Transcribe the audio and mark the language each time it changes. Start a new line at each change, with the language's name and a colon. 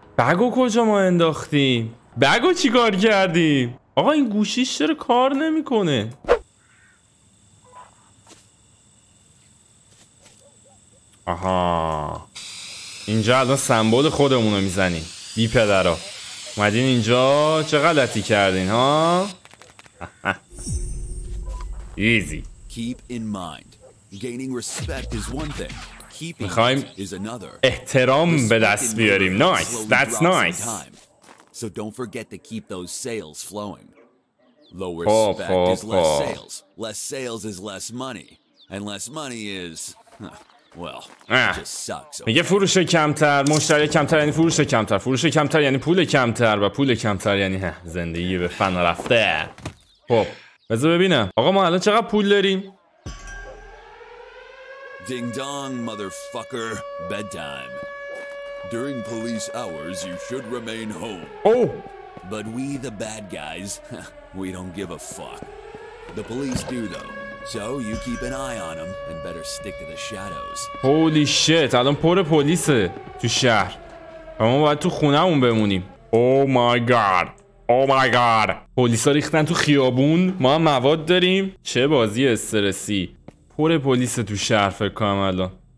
Persian: بگو کجا ما انداختیم؟ بگو چی کار کردیم؟ آقا این گوشیش چرا کار نمیکنه؟ آها اینجا الان سمبول خودمونو میزنیم بی پدرا. اومدین اینجا چه غلطی کردین ها؟ ایزی.
English: Keep in mind gaining respect is one thing.
Persian: میخوایم احترام به دست بیاریم.
English: Nice, that's nice. So don't forget to keep those sales flowing. Lower respect is less sales. Less sales is less money. And less money is well, just sucks.
Persian: میگه فروش کمتر، مشتری کمتر یعنی فروش کمتر. فروش کمتر یعنی پول کمتر و پول کمتر یعنی زندگی به فنا رفته. خب، بذار ببینم. آقا ما الان چقدر پول داریم؟
English: Ding dong motherfucker, bedtime. During police hours, you should remain home. Oh, but we the bad guys. We don't give a fuck. The police do though. So you keep an eye on them and better stick to the shadows. Holy shit,
Persian: الان پر پلیسه تو شهر. ما باید تو خونمون بمونیم.
English: Oh my god. Oh my god.
Persian: پلیسا ریختن تو خیابون. ما هم مواد داریم. چه بازی استرسی. پر پلیسه تو شهر فکر کنم الان.